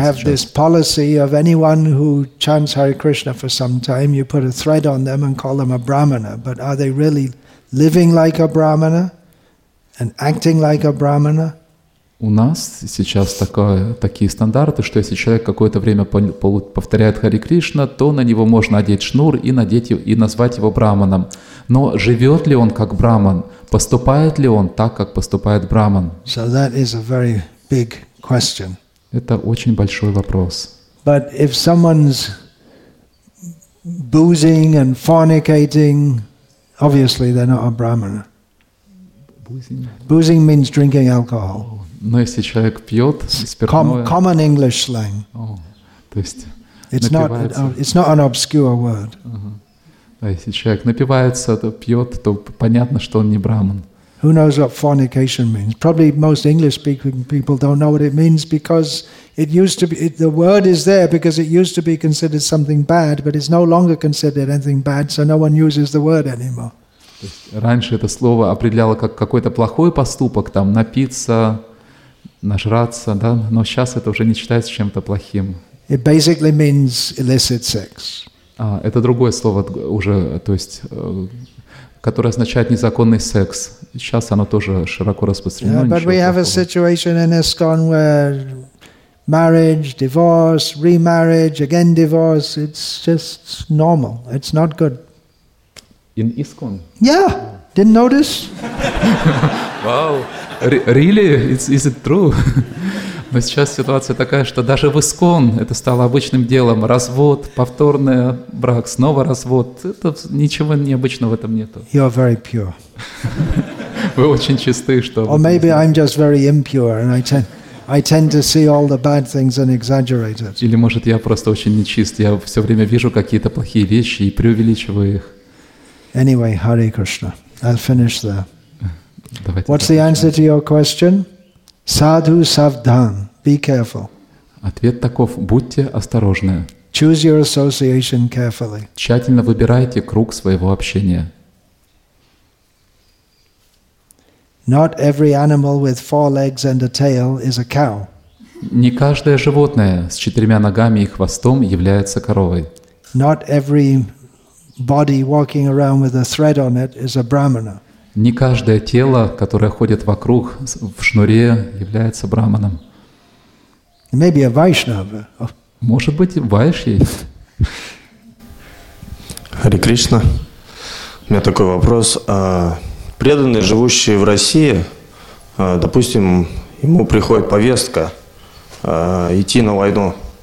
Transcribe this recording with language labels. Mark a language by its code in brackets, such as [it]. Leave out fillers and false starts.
[en] We have this policy of anyone who chants Hare Krishna for some time, you put a thread on them and call them a brahmana. But are they really living like a brahmana and acting like a brahmana? [ru] У нас сейчас такие стандарты, что если человек какое-то время повторяет Хари Кришна, то на него можно одеть шнур и назвать его брахманом. Но живет ли он как брахман? Поступает ли он так, как поступает брахман? [en] So that is a very big question. [ru] Это очень большой вопрос. [en] But if someone's boozing and fornicating, obviously they're not a brahmana. Boozing means drinking alcohol. [ru] Но если человек пьет спиртное, [en] common English slang. [ru] То есть [en] it's not an obscure word. [ru] Uh-huh. Да, если человек напивается, то пьет, то понятно, что он не брахман. [en] Who knows what fornication means? Probably most English-speaking people don't know what it means because it used to be, the word is there because it used to be considered something bad, but it's no longer considered anything bad, so no one uses the word anymore. [ru] Раньше это слово определяло как какой-то плохой поступок, там, напиться, нажраться, да? Но сейчас это уже не считается чем-то плохим. [en] It basically means illicit sex. [ru] А, это другое слово уже, то есть... которое означает незаконный секс. Сейчас оно тоже широко распространено. [en] Yeah, but we have [ru] такого. [en] A situation in ISKCON where marriage, divorce, remarriage, again divorce, it's just normal. It's not good. In ISKCON? Yeah, didn't notice. Wow, really? Is it true? [ru] Но сейчас ситуация такая, что даже в ИСКОН это стало обычным делом. Развод, повторный брак, снова развод. Это ничего необычного в этом нету. [en] You are very pure. [ru] Вы очень чисты, что... [en] Or maybe I'm just very impure and I tend to see all the bad things and exaggerate it. [ru] Или, может, я просто очень нечист. Я все время вижу какие-то плохие вещи и преувеличиваю их. [en] Anyway, Hare Krishna. I'll finish there. [ru] Давайте. [en] What's the answer to your question? Sadhu Savdhan, be careful. [ru] Ответ таков, будьте осторожны. [en] Choose your association carefully. [ru] Тщательно выбирайте круг своего общения. [en] Not every animal with four legs and a tail is a cow. [ru] Не каждое животное с четырьмя ногами и хвостом является коровой. [en] Not every body walking around with a thread on it is a brahmana. [ru] Не каждое тело, которое ходит вокруг в шнуре, является брахманом. [en] Maybe a Vaishnava. [ru] Может быть, вайш есть. Хари Кришна. У меня такой вопрос. Преданный, живущий в России, допустим, ему приходит повестка идти на войну.